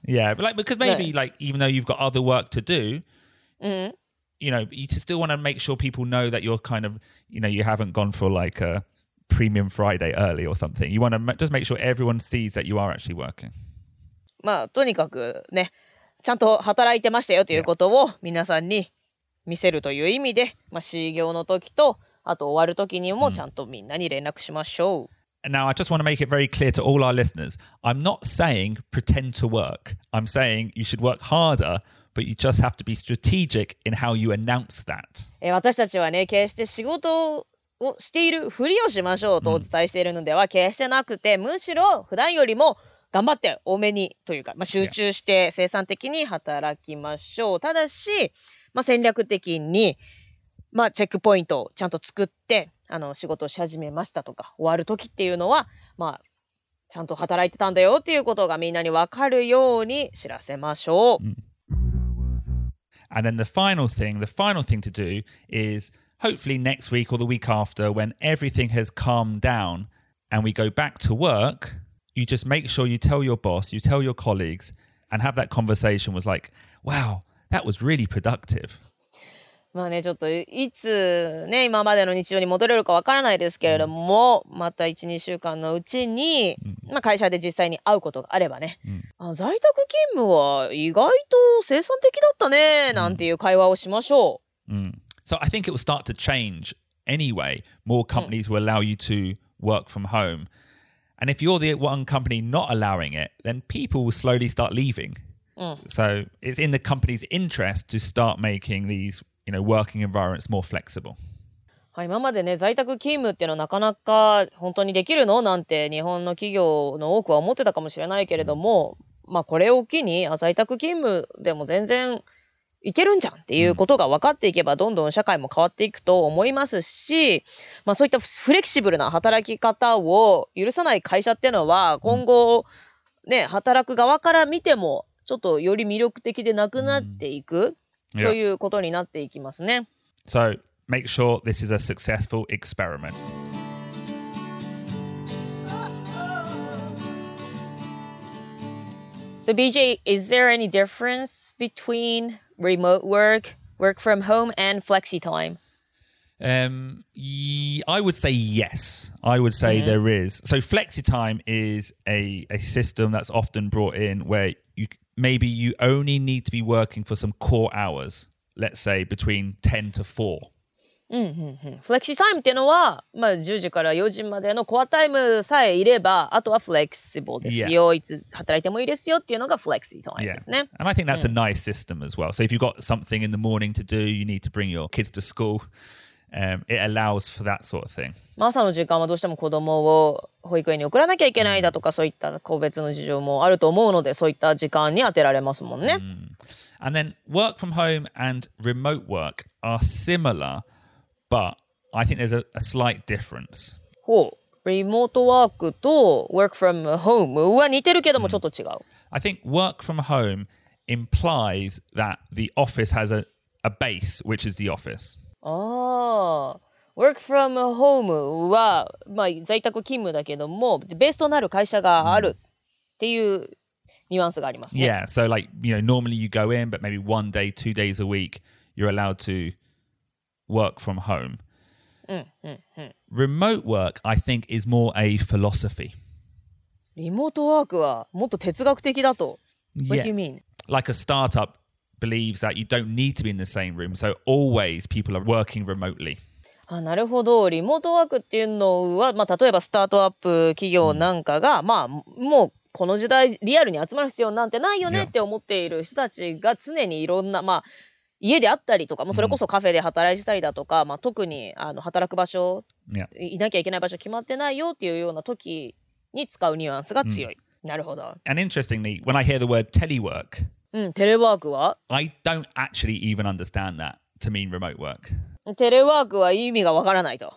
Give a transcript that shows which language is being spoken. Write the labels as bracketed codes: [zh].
[en] Yeah, but like, because maybe、ね、like, even though you've got other work to do,、 [ja] うん、 [en] you know, you still want to make sure people know that you're kind of, you know, you haven't gone for like a premium Friday early or something. You want to just make sure everyone sees that you are actually working. [ja] まあ、とにかくね、ちゃんと働いてましたよということを皆さんに見せるという意味で、まあ、始業の時とあと終わる時にもちゃんとみんなに連絡しましょう。 [en] Now, I just want to make it very clear to all our listeners. I'm not saying pretend to work. I'm saying you should work harder, but you just have to be strategic in how you announce that. [ja] 私たちはね、決して仕事をしているふりをしましょうとお伝えしているのでは決してなくて、むしろ普段よりも頑張って多めにというか、まあ、集中して生産的に働きましょう。ただし、まあ、戦略的に、まあ、チェックポイントをちゃんと作って、あの仕事をし始めましたとか、終わる時っていうのは、まあ、ちゃんと働いてたんだよっていうことがみんなに分かるように知らせましょう。 [en] And then the final thing to do is hopefully next week or the week after when everything has calmed down and we go back to work,You just make sure you tell your boss, you tell your colleagues, and have that conversation was like, wow, that was really productive. [ja] まあね、ちょっといつね、今までの日常に戻れるかわからないですけれども、また1、2週間のうちに、まあ、会社で実際に会うことがあればね、あ、在宅勤務は意外と生産的だったね、なんていう会話をしましょう。 [en] So I think it will start to change anyway. More companies will allow you to work from home. And if you're the one company not allowing it, then people will slowly start leaving.、So it's in the company's interest to start making these, you know, working environments more flexible. [ja] はい、今までね、在宅勤務っていうのはなかなか本当にできるの? なんて日本の企業の多くは思ってたかもしれないけれども、まあこれを機に、あ、在宅勤務でも全然いけるんじゃんっていうことが分かっていけば、どんどん社会も変わっていくと思いますし、まあ、そういったフレキシブルな働き方を許さない会社っていうのは、今後、ね、働く側から見ても、ちょっとより魅力的でなくなっていくということになっていきますね。 [en] So, make sure this is a successful experiment. So, BJ, is there any difference between... Remote work, work from home, and flexi time? I would say yes. I would say there is. So flexi time is a system that's often brought in where you only need to be working for some core hours, let's say between 10 to 4. [ja] Flexi time っていうのは、まあ、10時から4時までのコアタイムさえいれば、あとは flexible ですよ。いつ働いてもいいですよっていうのが flexi time ですね。 [en] And I think that's a nice system as well. So if you've got something in the morning to do, you need to bring your kids to school, it allows for that sort of thing. [ja] 朝の時間はどうしても子供を保育園に送らなきゃいけないだとか、そういった個別の事情もあると思うので、そういった時間に当てられますもんね。 [en] And then work from home and remote work are similar. But I think there's a slight difference. [ja] ほう、リモートワークと [en] work from home [ja] は似てるけどもちょっと違う。 [en] I think work from home implies that the office has a base, which is the office. Work from home [ja] は、まあ、在宅勤務だけども、ベースとなる会社があるっていうニュアンスがありますね。 [en] Yeah, so like, you know, normally you go in, but maybe one day, two days a week, you're allowed to... work from home. Remote work, I think, is more a philosophy. Remote work is more [ja] 哲学的だと [en] What do you mean? Like a startup believes that you don't need to be in the same room, so always people are working remotely. [ja] Ah, なるほど。リモートワークっていうのは、まあ、例えばスタートアップ企業なんかが、まあ、もうこの時代リアルに集まる必要なんてないよねって思っている人たちが常にいろんな、まあ家であったりとか、もうそれこそカフェで働いてたりだとか、まあ、特にあの働く場所、いなきゃいけない場所決まってないよっていうような時に使うニュアンスが強い。なるほど。 [en] And interestingly, when I hear the word telework, [ja] テレワークは? [en] I don't actually even understand that to mean remote work. [ja] テレワークは意味がわからないと。